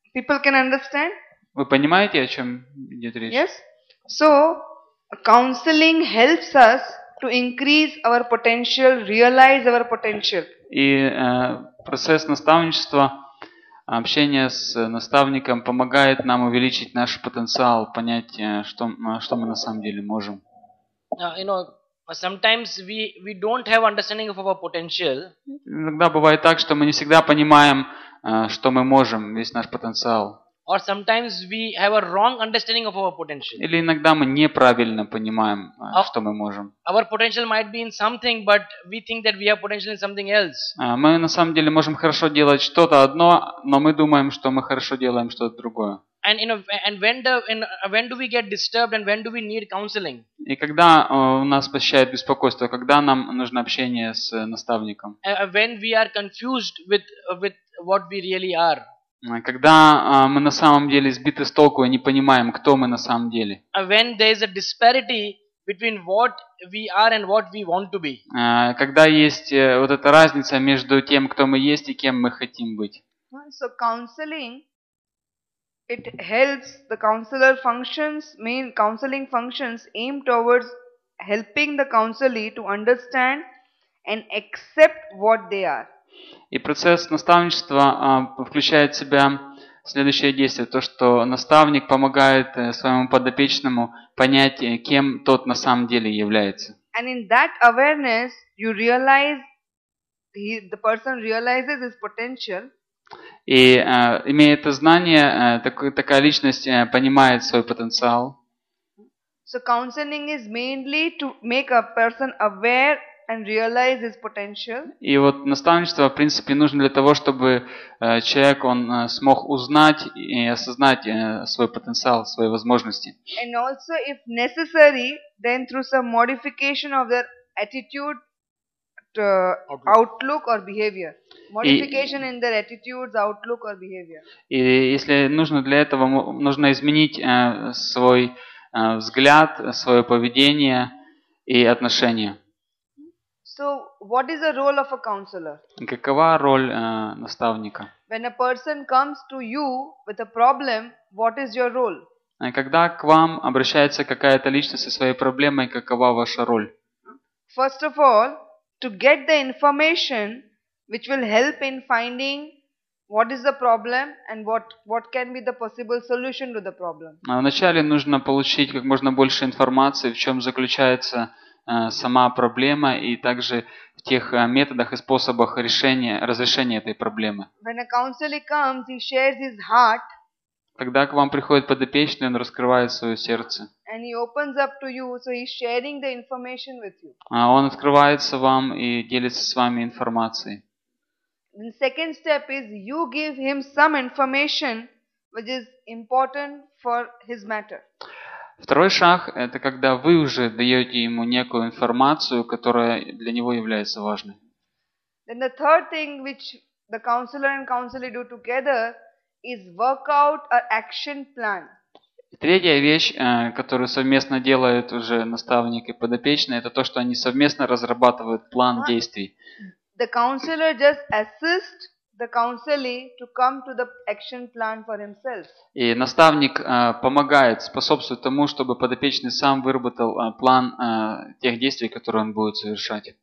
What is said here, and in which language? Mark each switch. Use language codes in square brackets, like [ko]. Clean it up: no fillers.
[en] People can understand? [ru] Вы понимаете, о чем идет речь? [en] Yes. So, counseling helps us to increase our potential, realize our potential. [ru] И процесс наставничества, общение с наставником помогает нам увеличить наш потенциал, понять, что мы на самом деле можем. [en] Sometimes we don't have understanding of our potential. [ru] Иногда бывает так, что мы не всегда понимаем, что мы можем, весь наш потенциал. [en] Or sometimes we have a wrong understanding of our potential. [ru] Или иногда мы неправильно понимаем, что мы можем. [en] Our potential might be in something, but we think that we have potential in something else. [ru] Мы на самом деле можем хорошо делать что-то одно, но мы думаем, что мы хорошо делаем что-то другое. [en] And you know, and when do we get disturbed and when do we need counseling? [ru] И когда у нас посещает беспокойство, когда нам нужно общение с наставником? [en] When we are confused with what we really are. [ru] Когда мы на самом деле сбиты с толку и не понимаем, кто мы на самом деле. [en] When there is a disparity between what we are and what we want to be. [ru] Когда есть вот эта разница между тем, кто мы есть и кем мы хотим быть. [en] So counseling. It helps the counselor functions, mean counseling functions aim towards helping the counselee to understand and accept what they are. [ru] И процесс наставничества включает в себя следующее действие, то, что наставник помогает своему подопечному понять, кем тот на самом деле является. [en] And in that awareness, you realize the person realizes his potential. [ru] И имея это знание, такая личность понимает свой потенциал. [en] So counseling is mainly to make a person aware and realize his potential. [ru] И вот наставничество, в принципе, нужно для того, чтобы человек он смог узнать и осознать свой потенциал, свои возможности. [en] And also, if necessary, then through some modification of their attitude, outlook or behavior. Modification in their attitudes, outlook or behavior. [ru] И если нужно для этого, нужно изменить свой взгляд, свое поведение и отношения. [en] So, what is the role of a counselor? [ru] Какова роль наставника? [en] When a person comes to you with a problem, what is your role? [ru] Когда к вам обращается какая-то личность со своей проблемой, какова ваша роль? [en] First of all, to get the information which will help in finding what is the problem and what can be the possible solution to the problem. [ru] Вначале нужно получить как можно больше информации, в чем заключается сама проблема и также в тех методах и способах решения, разрешения этой проблемы. [en] When a counselor comes, he shares his heart. [ru] Когда к вам приходит подопечный, он раскрывает свое сердце. [en] And he opens up to you, so he's sharing the information with you. [ru] Он открывается вам и делится с вами информацией. [en] The second step is you give him some information which is important for his matter. [ru] Второй шаг – это когда вы уже даете ему некую информацию, которая для него является важной. [en] Then the third thing which the counselor and counselee do together is work out an action plan. [ru] Третья вещь, которую совместно делают уже наставник и подопечный, это то, что они совместно разрабатывают план действий. [en] The counselor just assist the counselee to come to the action plan for himself. [ru] И наставник помогает, способствует тому, чтобы подопечный сам выработал план тех действий, которые он будет совершать.